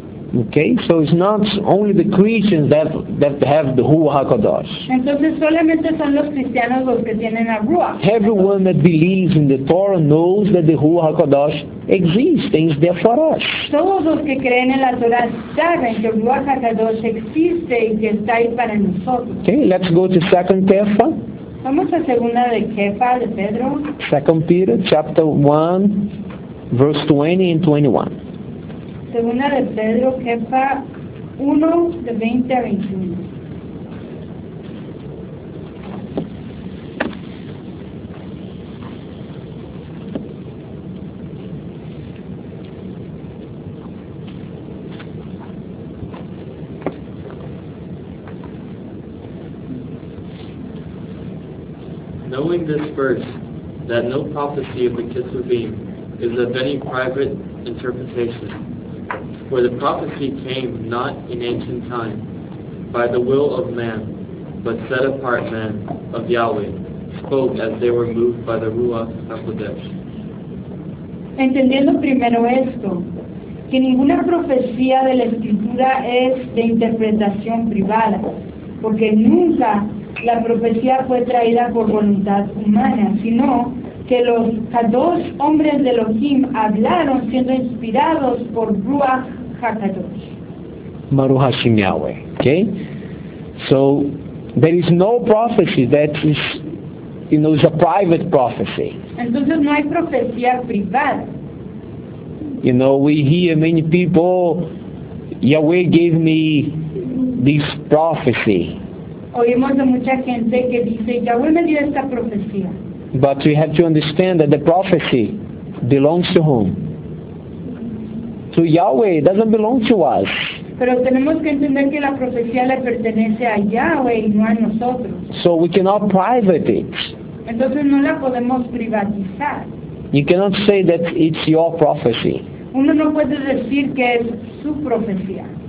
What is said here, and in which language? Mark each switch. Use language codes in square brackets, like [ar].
[en] Okay, so it's not only the Christians that have the Ruach HaKodesh. [es] Entonces solamente son los cristianos los que tienen a Ruach. [en] Everyone that believes in the Torah knows that the Ruach HaKodesh exists and is there for us. [es] Todos los que creen en la Torah saben que Ruach HaKodesh existe y que está ahí para nosotros. [en] Okay, let's go to 2 Kefa. [es] Vamos a segunda de Kefa, de Pedro. [en] 2 Peter chapter 1, verse 20 and 21. [es] Segunda de Pedro, Kefa 1, de 20 a 21. [en] Knowing this verse, that no prophecy of the Kitzuvim is of any private interpretation, for the prophecy came not in ancient time by the will of man, but set apart men of Yahweh spoke as they were moved by the Ruach HaKodesh. [es] Entendiendo primero esto, que ninguna profecía de la Escritura es de interpretación privada, porque nunca la profecía fue traída por voluntad humana, sino que los dos hombres de Elohim hablaron siendo inspirados por Ruach HaKadosh. Maruha Shimiawe, okay? [en] So, there is no prophecy that is, you know, is a private prophecy. [es] Entonces no hay profecía privada. [en] You know, we hear many people, Yahweh gave me this prophecy. [es] Oímos de mucha gente que dice, Yahweh me dio esta profecía. [en] But we have to understand that the prophecy belongs to whom? To Yahweh, it doesn't belong to us. [es] Pero tenemos que entender que la profecía le pertenece a Yahweh y no a nosotros. [en] So we cannot private it. [es] Entonces no la podemos privatizar. [en] You cannot say that it's your prophecy. [es] Uno no puede decir que es su profecía.